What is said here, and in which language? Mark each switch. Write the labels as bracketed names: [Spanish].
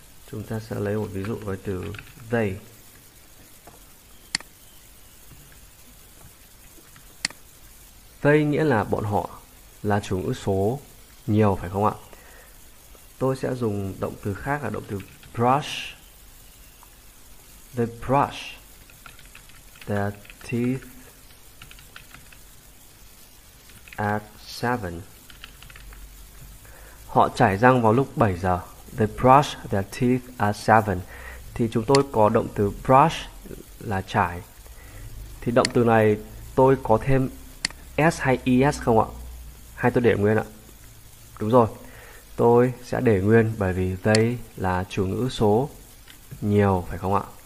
[Vietnamese] Chúng ta sẽ lấy một ví dụ với từ they. They nghĩa là bọn họ, là chủ ngữ số nhiều phải không ạ? Tôi sẽ dùng động từ khác là động từ brush. [English] They brush their teeth at 7. [Vietnamese] Họ chải răng vào lúc 7 giờ. [English] They brush their teeth at 7. [Vietnamese] Thì chúng tôi có động từ brush là chải. Thì động từ này tôi có thêm S hay ES không ạ? Hay tôi để nguyên ạ? Đúng rồi, tôi sẽ để nguyên bởi vì they là chủ ngữ số nhiều phải không ạ?